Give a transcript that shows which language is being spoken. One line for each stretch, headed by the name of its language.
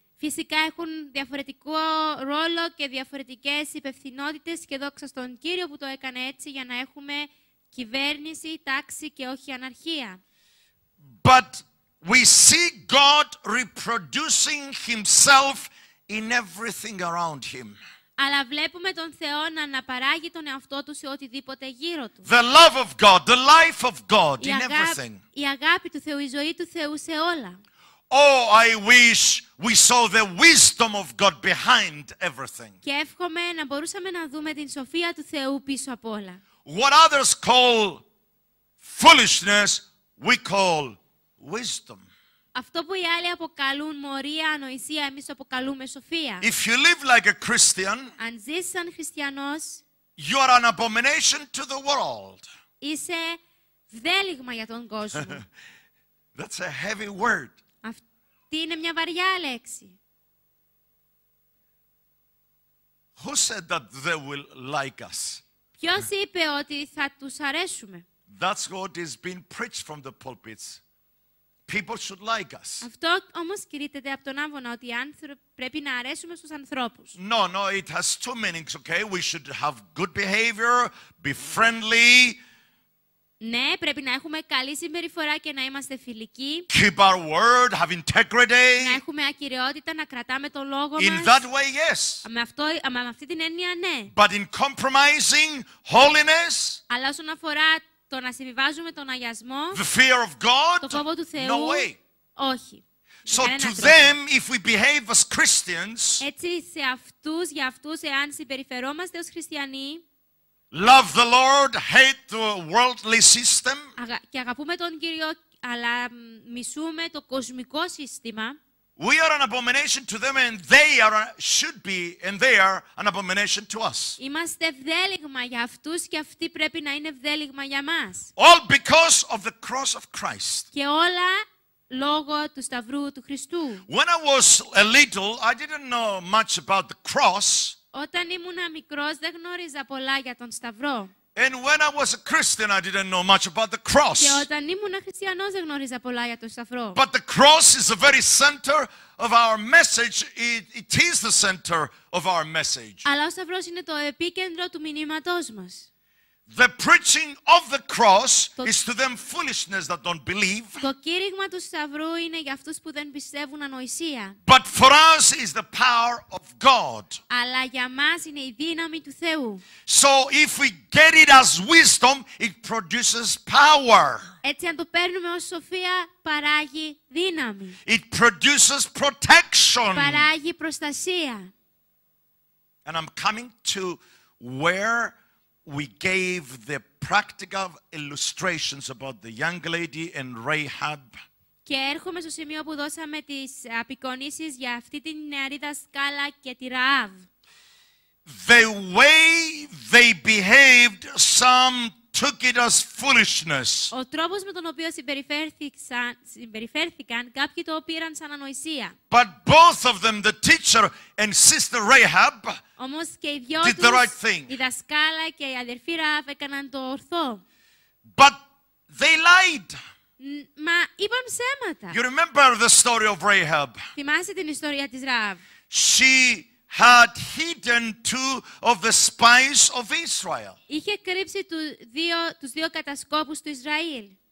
Greek: Φυσικά έχουν διαφορετικό ρόλο και διαφορετικές υπευθυνότητες και δόξα στον Κύριο που το έκανε έτσι για να έχουμε κυβέρνηση, τάξη και όχι αναρχία.
English: But we see God reproducing himself in everything around him.
Greek: Αλλά βλέπουμε τον Θεό να αναπαράγει τον εαυτό του σε οτιδήποτε γύρω του.
English: The love of God, the life of God in everything.
Greek: Η αγάπη του Θεού, η ζωή του Θεού σε όλα.
English: Oh, I wish we saw the wisdom of God behind everything.
Greek: Και εύχομαι να μπορούσαμε να δούμε την σοφία του Θεού πίσω από όλα.
English: What others call foolishness, we call wisdom.
Greek: Αυτό που οι άλλοι αποκαλούν μωρία, ανοησία, εμείς αποκαλούμε σοφία.
English: If you live like a Christian,
Greek: αν ζεις σαν χριστιανός,
English: you are an abomination to the world.
Greek: Είσαι δέλυγμα για τον κόσμο.
English: That's a heavy word.
Greek: Αυτή είναι μια βαριά λέξη.
English: Who said that they will like us?
Greek: Ποιος είπε ότι θα τους αρέσουμε?
English: That's what is being preached from the pulpits. People should like us.
Greek: Αυτό όμως κηρύτεται από τον άβονα ότι πρέπει να αρέσουμε στους ανθρώπους.
English: No, no, it has two meanings, okay? We should have good behavior, be friendly.
Greek: Ναι, πρέπει να έχουμε καλή συμπεριφορά και να είμαστε φιλικοί.
English: Keep our word, have integrity.
Greek: Να έχουμε ακυρεότητα, να κρατάμε το λόγο μας.
English: In that way, yes.
Greek: Με αυτή την έννοια, ναι.
English: But in compromising holiness.
Greek: Αλλά όσον αφορά το να συμβιβάζουμε τον αγιασμό.
English: The fear of God.
Greek: Το φόβο του Θεού.
English: No way.
Greek: Όχι.
English: So to them, if we behave as Christians.
Greek: Έτσι σε αυτούς, για αυτούς, εάν συμπεριφερόμαστε ως χριστιανοί.
English: Love the Lord, hate the worldly system.
Greek: Και αγαπούμε τον Κύριο, αλλά μισούμε το κοσμικό σύστημα.
English: We are an abomination to them, and they are should be, and they are an abomination to us.
Greek: Είμαστε ευδέλυγμα για αυτούς και αυτοί πρέπει να είναι ευδέλυγμα για μας.
English: All because of the cross of Christ.
Greek: Και όλα λόγω του σταυρού του Χριστού.
English: When I was a little, I didn't know much about the cross.
Greek: Όταν ήμουν μικρός, δεν γνώριζα πολλά για τον Σταυρό.
English: And when I was a Christian, I didn't know much about the cross.
Greek: Και όταν ήμουν χριστιανός, δεν γνώριζα πολλά για τον Σταυρό.
English: But the cross is the very center of our message. It is the center of our message.
Greek: Αλλά ο Σταυρός είναι το επίκεντρο του μηνύματός μας.
English: The preaching of the cross is to them foolishness that don't believe.
Greek: Το κήρυγμα του Σταυρού είναι για αυτούς που δεν πιστεύουν, ανοησία.
English: But for us is the power of God.
Greek: Αλλά για μας είναι η δύναμη του Θεού.
English: So if we get it as wisdom, it produces power.
Greek: Έτσι αν το παίρνουμε ως σοφία, παράγει δύναμη.
English: It produces protection.
Greek: Παράγει προστασία.
English: And I'm coming to where we gave the practical illustrations about the young lady and Rahab.
Greek: Και έρχομαι στο σημείο που δώσαμε τις απεικονίσεις για αυτή την νεαρή δασκάλα και τη Ραάβ.
English: The way they behaved, Psalm took it as foolishness.
Greek: Ο τρόπος με τον οποίο συμπεριφέρθηκαν, κάποιοι το πήραν σαν ανοησία.
English: But both of them, the teacher and sister Rahab,
Greek: όμως και οι δυο
English: did the right thing.
Greek: Η δασκάλα και η αδερφή Ραβ έκαναν το ορθό.
English: But they lied.
Greek: Μα είπαν ψέματα.
English: You remember the story of Rahab.
Greek: Θυμάσαι την ιστορία της Ραβ.
English: She had hidden two of the spies of Israel.
Greek: Είχε κρύψει τους δύο κατασκόπους του Ισραήλ.